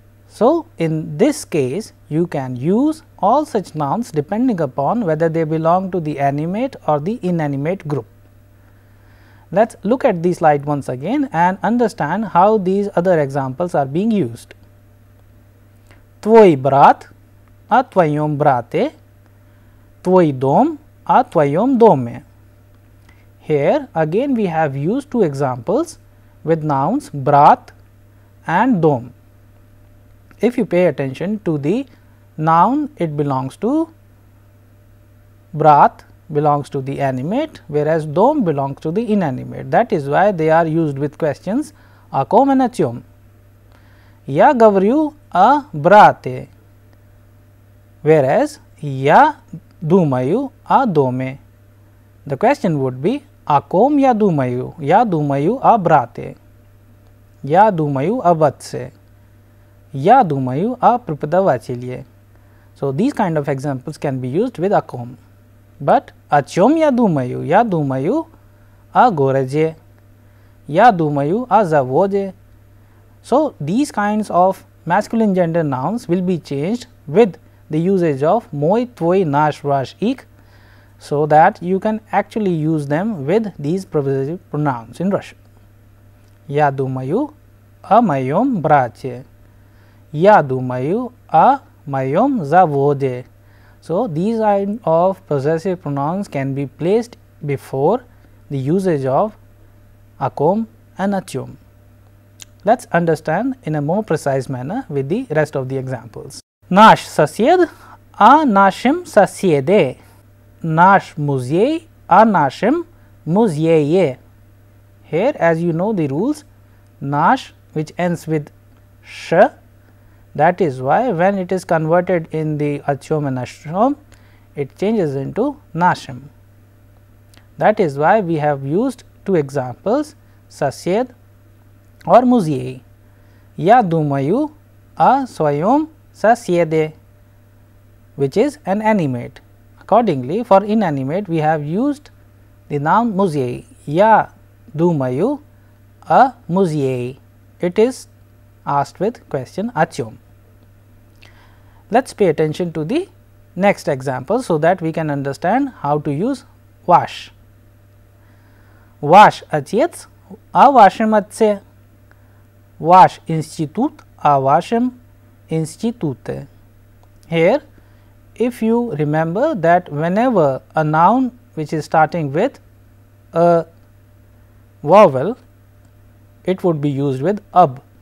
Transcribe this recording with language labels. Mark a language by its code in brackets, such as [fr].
[en] So, in this case, you can use all such nouns depending upon whether they belong to the animate or the inanimate group. Let's look at the slide once again and understand how these other examples are being used. [ru] Твой брат о твоем брате, твой дом о твоем доме. [en] Here again we have used two examples with nouns брат and дом. If you pay attention to the noun it belongs to, брат belongs to the animate, whereas дом belongs to the inanimate. That is why they are used with questions [ru] о ком и о чем. Я говорю о брате, [en] whereas [ru] я думаю о доме. [en] The question would be [ru] о ком я думаю о брате, Я думаю об отце. Я думаю о преподавателе. [en] So these kind of examples can be used with о ком. But [ru] о чем я думаю о городе. Я думаю о заводе. [en] So these kinds of masculine gender nouns will be changed with the usage of [ru] мой, твой, наш, ваш, их, [en] so that you can actually use them with these possessive pronouns in Russian. [ru] Я думаю о моем брате. Я думаю о моем заводе. [en] So these kind of possessive pronouns can be placed before the usage of [ru] о ком [en] and [ru] о чем. [en] Let's understand in a more precise manner with the rest of the examples. [ru] Наш сосед о нашем соседе. Наш музей о нашем музее. [en] Here, as you know the rules, наш, which ends with ш, that is why when it is converted in the ачьом and нашем, it changes into нашем. That is why we have used two examples, сосед or музей. [ru] Я думаю о своем соседе, [en] which is an animate. Accordingly, for inanimate, we have used the noun музей. [ru] Я думаю о музее. [en] It is asked with question [ru] о чем. [en] Let's pay attention to the next example so that we can understand how to use ваш. [ru] Ваш отец о вашем отце. Ваш институт о вашем институте. [en] Here, if you remember that whenever a noun which is starting with a vowel, it would be used with об.